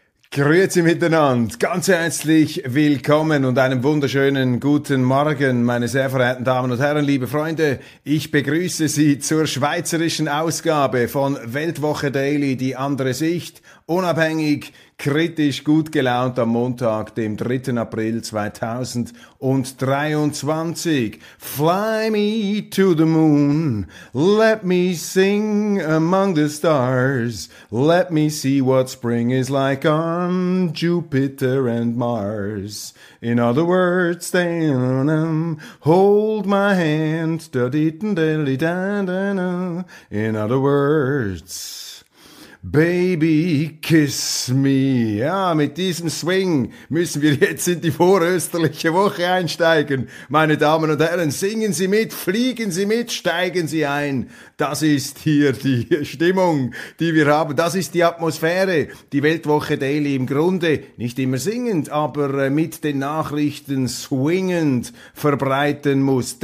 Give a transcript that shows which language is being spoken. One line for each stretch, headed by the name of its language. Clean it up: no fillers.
German: Grüezi miteinander, ganz herzlich willkommen und einen wunderschönen guten Morgen, meine sehr verehrten Damen und Herren, liebe Freunde. Ich begrüße Sie zur schweizerischen Ausgabe von Weltwoche Daily, die andere Sicht, unabhängig, kritisch, gut gelaunt am Montag, dem 3. April 2023.
English: Fly me to the moon, let me sing among the stars, let me see what spring is like on Jupiter and Mars. In other words, hold my hand, in other words, Baby, kiss me.
German: Ja, mit diesem Swing müssen wir jetzt in die vorösterliche Woche einsteigen. Meine Damen und Herren, singen Sie mit, fliegen Sie mit, steigen Sie ein. Das ist hier die Stimmung, die wir haben. Das ist die Atmosphäre. Die Weltwoche Daily im Grunde nicht immer singend, aber mit den Nachrichten swingend verbreiten muss.